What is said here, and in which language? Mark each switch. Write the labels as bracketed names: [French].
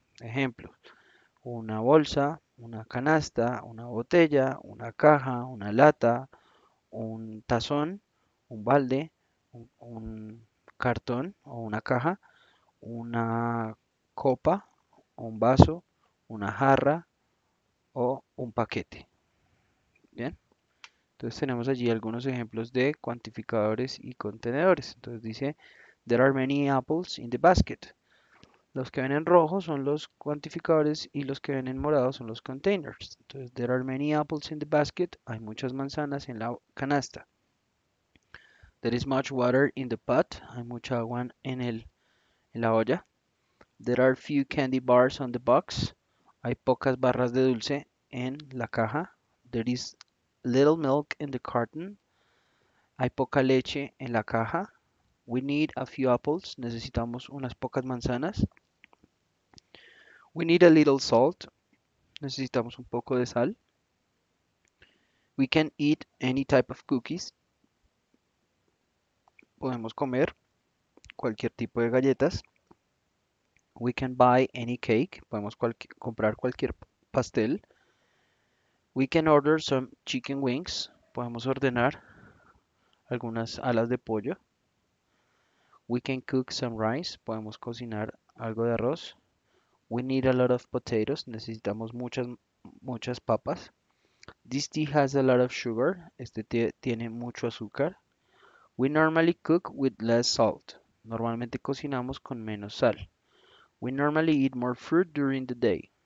[Spanish] Ejemplo, una bolsa, una canasta, una botella, una caja, una lata, un tazón, un balde, un cartón o una caja, una copa, un vaso, una jarra o un paquete. Bien, entonces tenemos allí algunos ejemplos de cuantificadores y contenedores. Entonces dice, [English] there are many apples in the basket. [Spanish] Los que ven en rojo son los cuantificadores y los que ven en morado son los containers. [English] Entonces, there are many apples in the basket. [Spanish] Hay muchas manzanas en la canasta. [English] There is much water in the pot. [Spanish] Hay mucha agua en la olla. [English] There are few candy bars on the box. [Spanish] Hay pocas barras de dulce en la caja. [English] There is little milk in the carton. [Spanish] Hay poca leche en la caja. [English] We need a few apples. [Spanish] Necesitamos unas pocas manzanas. [English] We need a little salt. [Spanish] Necesitamos un poco de sal. [English] We can eat any type of cookies. [Spanish] Podemos comer cualquier tipo de galletas. [English] We can buy any cake. [Spanish] Podemos comprar cualquier pastel. [English] We can order some chicken wings. [Spanish] Podemos ordenar algunas alas de pollo. [English] We can cook some rice. [Spanish] Podemos cocinar algo de arroz. [English] We need a lot of potatoes. [Spanish] Necesitamos muchas, muchas papas. [English] This tea has a lot of sugar. [Spanish] Este té tiene mucho azúcar. [English] We normally cook with less salt. [Spanish] Normalmente cocinamos con menos sal. [English] We normally eat more fruit during the day.